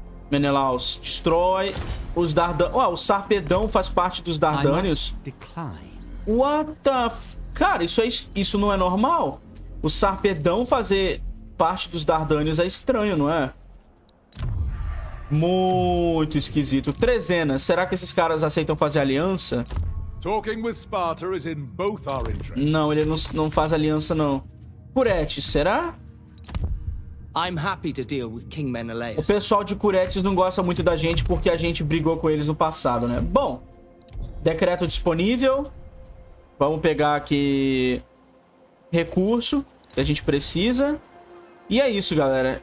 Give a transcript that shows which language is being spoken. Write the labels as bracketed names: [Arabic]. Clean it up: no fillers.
[Portuguese] Menelaus, destrói os Dardanes. Ué, o Sarpedão faz parte dos Dardanes? [English] What the f... [Portuguese] Cara, isso não é normal? O Sarpedão fazer parte dos Dardanes é estranho, não é? Muito esquisito. Trezenas. Será que esses caras aceitam fazer aliança? [English] Talking with Sparta is in both our interests. [Portuguese] Não, ele não faz aliança, não. Curetes, será? [English] I'm happy to deal with King Menelaus. [Portuguese] O pessoal de Curetes não gosta muito da gente porque a gente brigou com eles no passado, né? Bom, decreto disponível. Vamos pegar aqui recurso que a gente precisa. E é isso, galera.